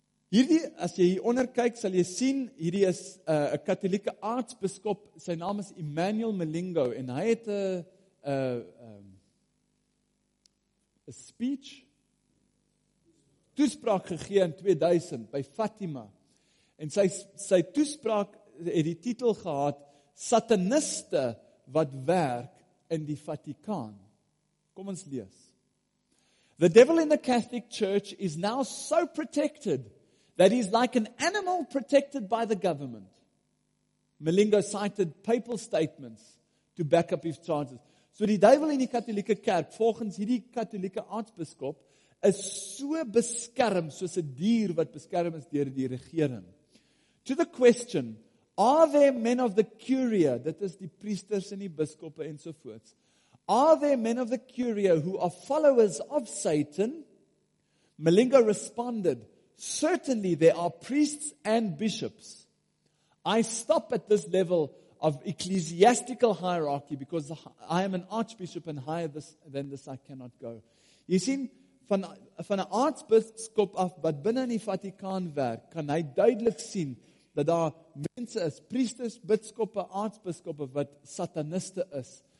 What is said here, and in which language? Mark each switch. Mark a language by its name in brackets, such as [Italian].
[Afrikaans] Hierdie, as jy hieronder kyk, sal jy sien, hierdie is 'n katholieke aartsbiskop, sy naam is Emmanuel Malingo, en hy het 'n speech, toespraak gegee in 2000, by Fatima, en sy toespraak het die titel gehad, Sataniste wat werk in die Vatikaan. Kom ons lees. [English] The devil in the Catholic Church is now so protected that he's like an animal protected by the government. Malingo cited papal statements to back up his charges. [Afrikaans] So die duivel in die katholieke kerk, volgens hierdie katholieke aartsbiskop, is so beskerm soos 'n dier wat beskerm is deur die regering. [English] To the question, are there men of the curia, [Afrikaans] dit is die priesters en die biskoppe en sovoorts, [English] are there men of the curia who are followers of Satan? Malingo responded, certainly there are priests and bishops. I stop at this level of ecclesiastical hierarchy because I am an archbishop and higher than this I cannot go. [Afrikaans] Jy sien, van 'n aartsbiskop af wat binnen in die Vatikaan werk, kan hy duidelik sien dat daar mense is, priesters, biskoppe, aartsbiskoppe wat sataniste is.